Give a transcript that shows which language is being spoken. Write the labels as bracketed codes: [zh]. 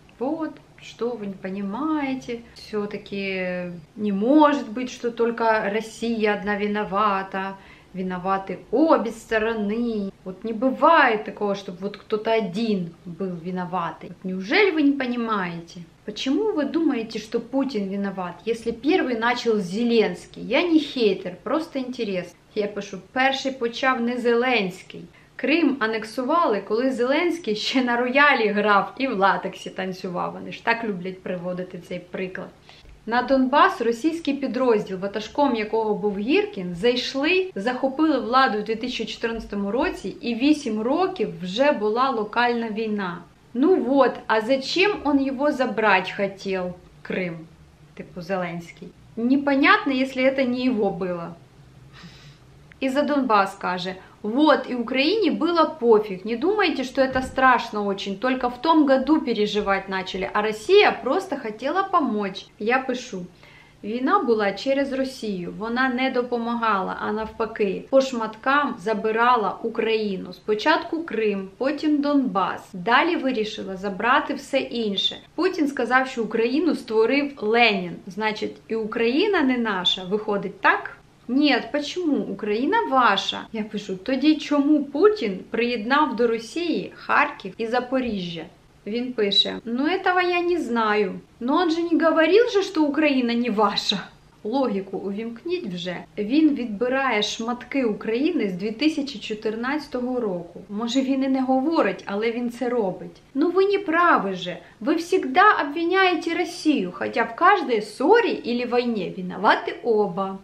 [ru] Вот, что вы не понимаете, все-таки не может быть, что только Россия одна виновата, виноваты обе стороны. Вот не бывает такого, чтобы вот кто-то один был виноватый. Вот неужели вы не понимаете? Почему вы думаете, что Путин виноват, если первый начал Зеленский? Я не хейтер, просто интересно. [uk] Я пишу, перший почав не Зеленський. Крим анексували, коли Зеленський ще на роялі грав і в латексі танцював. Вони ж так люблять приводити цей приклад. На Донбас російський підрозділ, ватажком якого був Гіркін, зайшли, захопили владу у 2014 році, і 8 років вже була локальна війна. [ru] Ну вот, а зачем он его забрать хотел, Крым, типу Зеленський? Непонятно, если это не его было. И за Донбасс каже, вот, и Украине было пофиг, не думайте, что это страшно очень, только в том году переживать начали, а Россия просто хотела помочь. [uk] Я пишу, війна була через Росію, вона не допомагала, а навпаки, по шматкам забирала Україну. Спочатку Крим, потім Донбас. Далі вирішила забрати все інше. Путін сказав, що Україну створив Ленін. Значить, і Україна не наша, виходить так? Ні, почому? Україна ваша. Я пишу, тоді чому Путін приєднав до Росії Харків і Запоріжжя? Він пише, [ru] ну этого я не знаю. Ну он же не говорил же, что Украина не ваша. [uk] Логіку увімкніть вже. Він відбирає шматки України з 2014 року. Може він і не говорить, але він це робить. Ну ви не праві же. Ви завжди обвиняєте Росію, хоча в кожній ссорі или війні виноваті оба.